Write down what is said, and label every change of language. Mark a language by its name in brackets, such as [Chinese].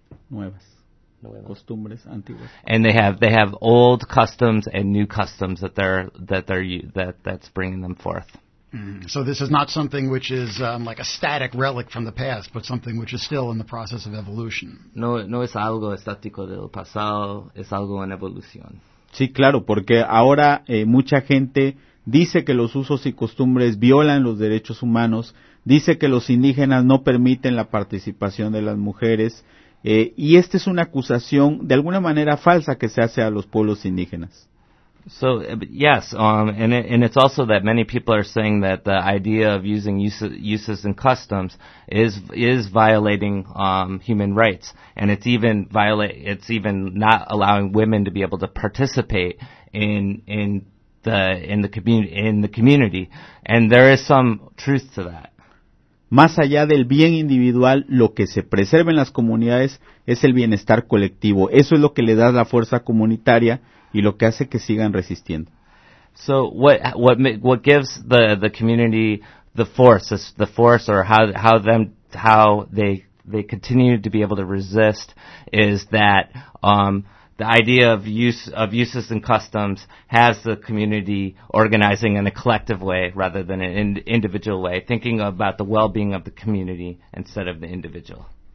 [Spanish] nuevas costumbres antiguas. [English] And they have old customs and new customs that's bringing them forth. So this is not something which is like a static relic from the past, but something which is still in the process of evolution. [Spanish] No es algo estático del pasado, es algo en evolución. Sí, claro, porque ahora mucha gente dice que los usos y costumbres violan los derechos humanos, dice que los indígenas no permiten la participación de las mujeres, y esta es una acusación de alguna manera falsa que se hace a los pueblos indígenas. [English] So yes, and it's also that many people are saying that the idea of using uses and customs is violating human rights, and it's even not allowing women to be able to participate in the community, and there is some truth to that. [Spanish] Más allá del bien individual, lo que se preserva en las comunidades es el bienestar colectivo. Eso es lo que le da la fuerza comunitaria y lo que hace que sigan resistiendo. [English] So what gives the community the force, is the force, or how they continue to be able to resist, is that the idea of uses and customs has the community organizing in a collective way rather than an individual way, thinking about the well-being of the community instead of the individual.